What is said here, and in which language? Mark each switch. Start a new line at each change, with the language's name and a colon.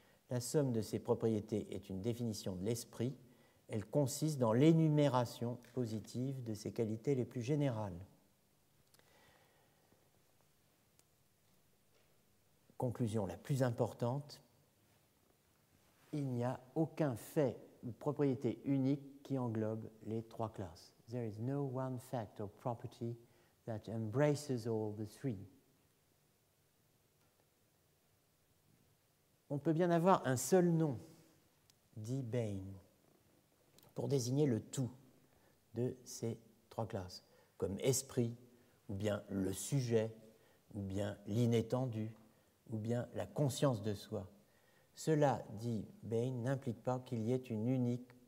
French: La somme de ces propriétés est une définition de l'esprit. Elle consiste dans l'énumération positive de ses qualités les plus générales. Conclusion la plus importante. Il n'y a aucun fait ou propriété unique qui englobe les trois classes.
English: There is no one fact or property that embraces all the three.
French: On peut bien avoir un seul nom, dit Bain, pour désigner le tout de ces trois classes, comme esprit, ou bien le sujet, ou bien l'inétendu, ou bien la conscience de soi. Cela, dit Bain, n'implique pas qu'il y ait une unique